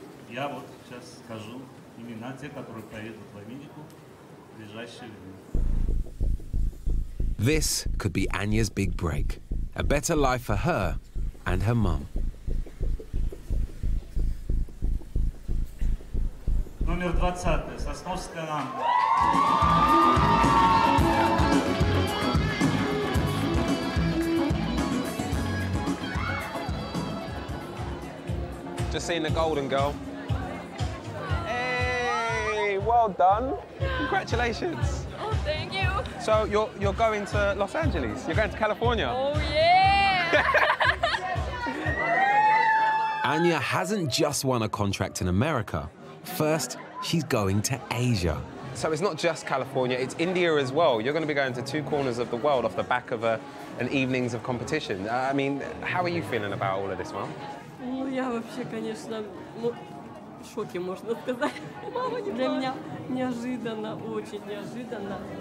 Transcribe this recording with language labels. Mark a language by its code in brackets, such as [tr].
[ru] Я вот сейчас скажу имена тех, которые поедут в Америку в ближайшее время. [en] This could be Anya's big break. A better life for her and her mom. [ru] Номер 20, Сосновская Анна. [en] Just seen the golden girl. Hey, well done. Congratulations. Thank you. So you're going to Los Angeles? You're going to California? Oh, yeah! Anya hasn't just won a contract in America. First, she's going to Asia. So it's not just California, it's India as well. You're going to be going to two corners of the world off the back of an evenings of competition. I mean, how are you feeling about all of this, Mom? [ru] Шоке, можно сказать. Мама, не для меня неожиданно, очень неожиданно.